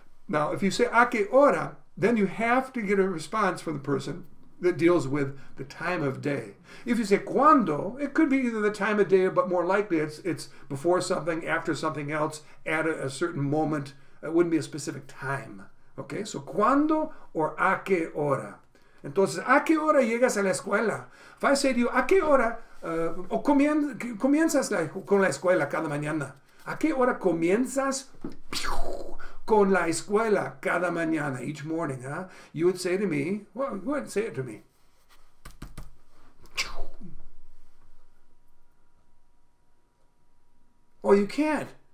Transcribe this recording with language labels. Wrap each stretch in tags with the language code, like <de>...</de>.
<en>Now, if you say a qué hora, then you have to get a response from the person that deals with the time of day. If you say cuando, it could be either the time of day, but more likely it's before something, after something else, at a certain moment. It wouldn't be a specific time. Okay, so cuando or a qué hora.</en> <es>Entonces, ¿a qué hora llegas a la escuela?</es> <en>If I say to you,</en> <es>¿a qué hora comienzas con la escuela cada mañana? ¿A qué hora comienzas con la escuela cada mañana?</es> <en>Each morning, huh? You would say to me, well, go ahead and say it to me. Oh, you can't.</en>